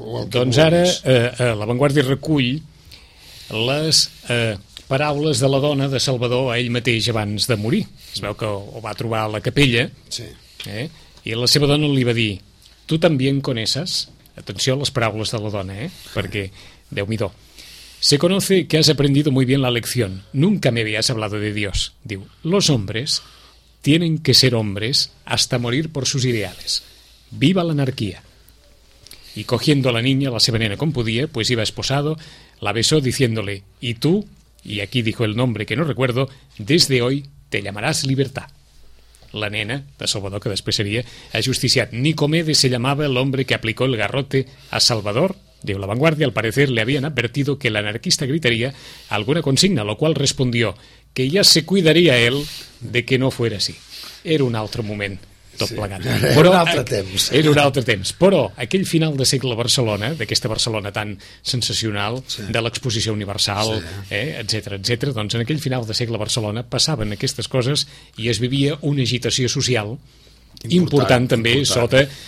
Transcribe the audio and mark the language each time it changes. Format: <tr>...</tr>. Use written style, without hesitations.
<ca>doncs ara La Vanguardia recull les paraules de la dona de Salvador a ell mateix abans de morir. Es veu que ho va trobar a la capella, i la seva dona li va dir: tu també en coneixes? Atenció a les paraules de la dona, perquè déu-m'hi-do.</ca> <es>Se conoce que has aprendido muy bien la lección. Nunca me habías hablado de Dios.</es> <ca>Diu,</ca> <es>los hombres tienen que ser hombres hasta morir por sus ideales. Viva la anarquía. Y cogiendo a la niña,</es> <ca>la seva nena,</ca> <es>como podía, pues iba esposado, la besó diciéndole, y tú, y aquí dijo el nombre que no recuerdo, desde hoy te llamarás Libertad.</es> <ca>La nena de Salvador,</ca> <es>que después sería ajusticiat. Nicomedes se llamaba el hombre que aplicó el garrote a Salvador.</es> <ca>Diu,</ca> <es>La Vanguardia, al parecer, le habían advertido que el anarquista gritaría alguna consigna, lo cual respondió que ya se cuidaría él de que no fuera así.</es> <ca>Era un altre moment, tot plegat. Era un altre temps. Però aquell final de segle a Barcelona, d'aquesta Barcelona tan sensacional, de l'Exposició Universal, etc., doncs en aquell final de segle a Barcelona passaven aquestes coses i es vivia una agitació social important també important.</ca>